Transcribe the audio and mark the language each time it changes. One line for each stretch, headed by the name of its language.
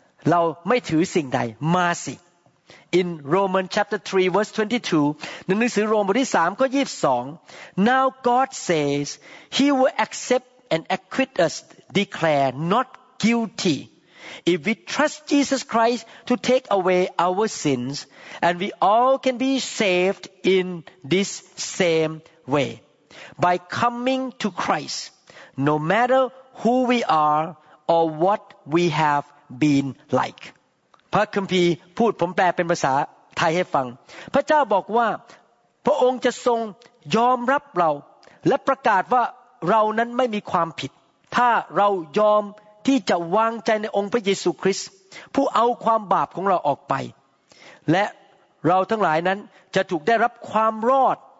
Thai: เราไม่ถือสิ่งใดมาสิ
English: In Romans chapter 3 verse 22
Thai: ในหนังสือโรมบทที่3ข้อ22
English: Now God says he will accept and acquit us declare not guiltyIf we trust Jesus Christ to take away our sins, and we all can be saved in this same way. By coming to Christ, no matter who we are or what we have been like.
Thai: พระคัมภีร์พูดผมแปลเป็นภาษาไทยให้ฟังพระเจ้าบอกว่าพระองค์จะทรงยอมรับเราและประกาศว่าเรานั้นไม่มีความผิดถ้าเรายอมที่จะวางใจในองค์พระเยซูคริสต์ผู้เอาความบาปของเราออกไปและเราทั้งหลายนั้นจะถูกได้รับความรอด